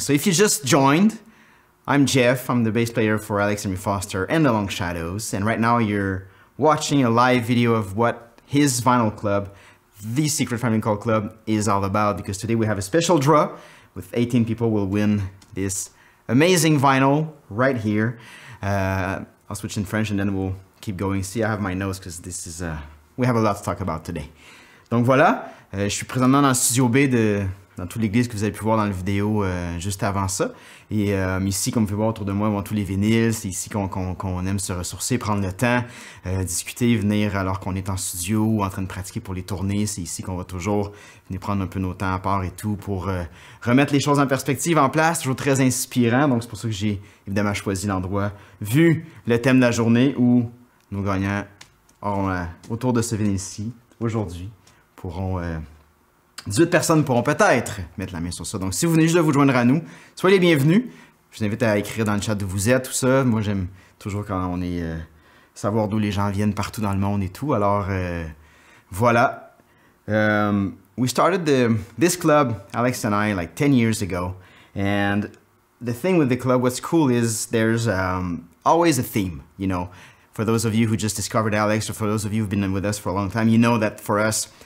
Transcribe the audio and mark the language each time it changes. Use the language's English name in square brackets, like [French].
[English] So if you just joined, I'm Jeff, I'm the bass player for Alex Henry Foster and the Long Shadows, and right now you're watching a live video of what his vinyl club, the Secret Family Cult Club, is all about, because today we have a special draw with 18 people will win this amazing vinyl right here. I'll switch in French and then we'll keep going. See, I have my nose because this is we have a lot to talk about today. [French] Donc voilà, je suis présentement dans le studio B de... dans toute l'église que vous avez pu voir dans la vidéo juste avant ça. Et ici, comme vous pouvez voir autour de moi, bon, tous les vinyles, c'est ici qu'on aime se ressourcer, prendre le temps, discuter, venir alors qu'on est en studio ou en train de pratiquer pour les tournées. C'est ici qu'on va toujours venir prendre un peu nos temps à part et tout pour remettre les choses en perspective, en place, toujours très inspirant. Donc c'est pour ça que j'ai évidemment choisi l'endroit, vu le thème de la journée où nos gagnants auront, autour de ce vinyle-ci, aujourd'hui, pourront... 18 personnes pourront peut-être mettre la main sur ça. Donc, si vous venez juste de vous joindre à nous, soyez les bienvenus. Je vous invite à écrire dans le chat d'où vous êtes, tout ça. Moi, j'aime toujours quand on est... savoir d'où les gens viennent partout dans le monde et tout. Alors, voilà. [English] We started this club, Alex and I, like 10 years ago. And the thing with the club, what's cool is there's always a theme, you know. For those of you who just discovered Alex, or for those of you who've been with us for a long time, you know that for us...